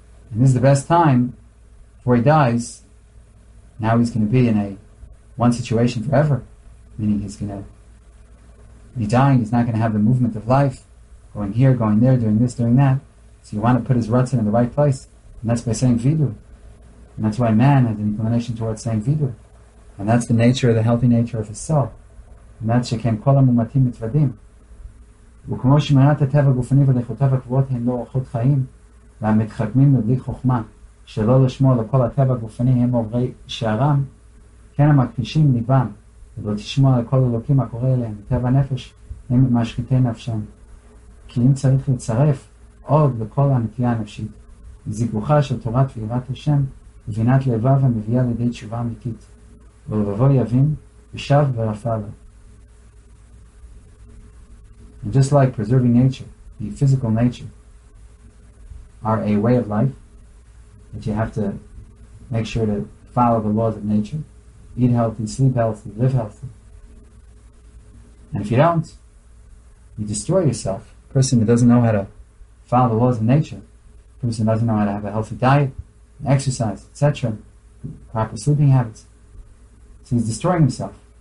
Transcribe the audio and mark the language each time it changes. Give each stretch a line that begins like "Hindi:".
English: And this is the best time before he dies. Now he's going to be in a one situation forever, meaning he's going to be dying. He's not going to have the movement of life, going here, going there, doing this, doing that. So you want to put his ratzon in the right place, and that's by saying vidur. And that's why man has an inclination towards saying vidur. And that's the nature, the healthy nature of his soul. And that's
Hebrew: shekem kol ha'mumatim mitvadim. וכמו שמירת הטבע הגופני ודחותיו הקבועות הן לא אורחות חיים, והמתחכמים מבלי חוכמה, שלא לשמוע לכל הטבע הגופני הם עוברי שערם, כן המכחישים ליבם, ולא תשמוע לכל אלוקים הקורא אליהם, טבע הנפש הם משחיתי נפשם. כי אם צריך לצרף עוד לכל הנטייה הנפשית, זיכוכה של תורת ויראת השם, ובינת לבב המביאה לידי תשובה אמיתית, ולבבו יבין, ושב ורפא לו.
English: And just like preserving nature, the physical nature, are a way of life, that you have to make sure to follow the laws of nature, eat healthy, sleep healthy, live healthy. And if you don't, you destroy yourself. A person who doesn't know how to follow the laws of nature, a person who doesn't know how to have a healthy diet, exercise, etc., proper sleeping habits, so he's destroying himself.